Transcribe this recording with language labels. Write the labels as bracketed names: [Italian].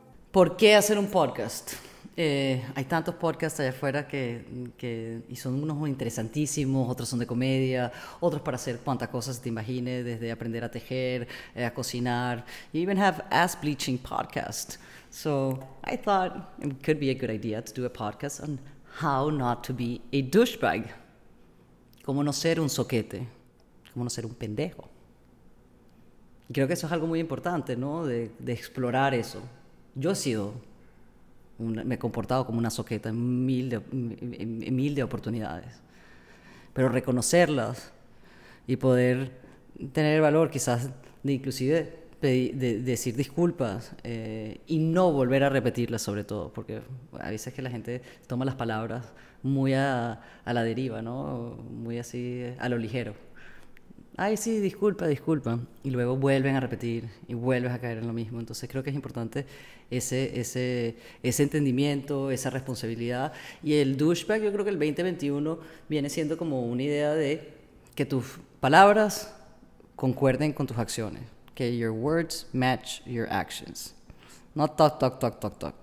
[Spanish] ¿Por qué hacer un podcast? Hay tantos podcasts allá afuera y son unos interesantísimos, otros son de comedia, otros para hacer cuantas cosas te imagines, desde aprender a tejer, a cocinar. [English] You even have ass bleaching podcast. So I thought it could be a good idea to do a podcast on how not to be a douchebag. [Spanish] Cómo no ser un soquete. Cómo no ser un pendejo. Y creo que eso es algo muy importante, ¿no? De explorar eso. Yo he sido, me he comportado como una soqueta en mil de oportunidades, pero reconocerlas y poder tener valor quizás de inclusive de decir disculpas y no volver a repetirlas sobre todo, porque a veces que la gente toma las palabras muy a la deriva, ¿no? Muy así a lo ligero. Ay, sí, disculpa, disculpa. Y luego vuelven a repetir y vuelves a caer en lo mismo. Entonces creo que es importante ese entendimiento, esa responsabilidad. Y el douchebag, yo creo que el 2021 viene siendo como una idea de que tus palabras concuerden con tus acciones. [English] Que your words match your actions. No talk, talk, talk, talk, talk.